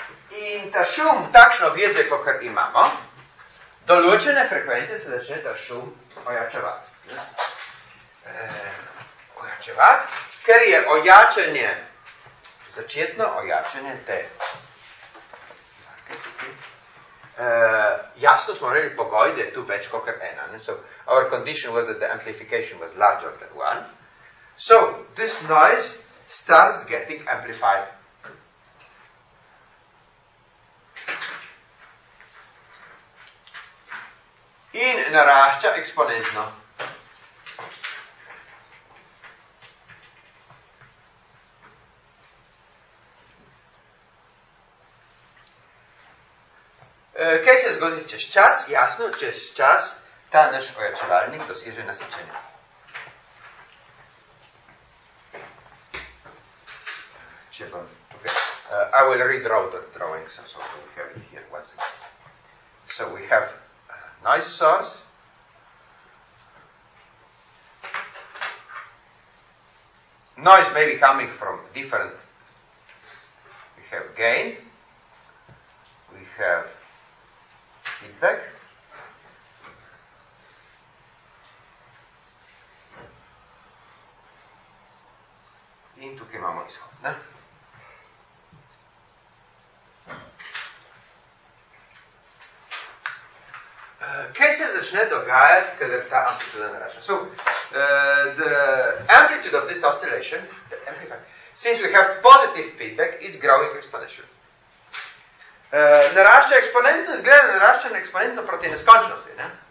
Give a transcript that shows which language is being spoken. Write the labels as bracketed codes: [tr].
[sl] In ta šum, takšno vezje, kot kar imamo, določene frekvence se začne ta šum ojačevati. Ojačevati, ker je ojačanje, začetno ojačanje te jasno smo rekli pogoj, da je tu več kot ena. Ne? [en] So, our condition was that the amplification was larger than one. So, this noise starts getting amplified. [sl] In narašča eksponentno. Kaj se zgodi čez čas? Jasno, čez čas ta naš ojačevalnik dosiže nasičenje. Če bom tukaj, [en] I will redraw the drawings, so we have it here once again. So we have noise source. Noise may be coming from different. We have gain. We have feedback. [sl] In tukaj imamo izhod, ne? kaj se začne dogajati, kadar ta amplitude narašča? [en] So, the amplitude of this oscillation, the amplifier, since we have positive feedback, is growing exponentially. [sl] Narašča eksponentno, izgleda narašča eksponentno proti neskončnosti, ne?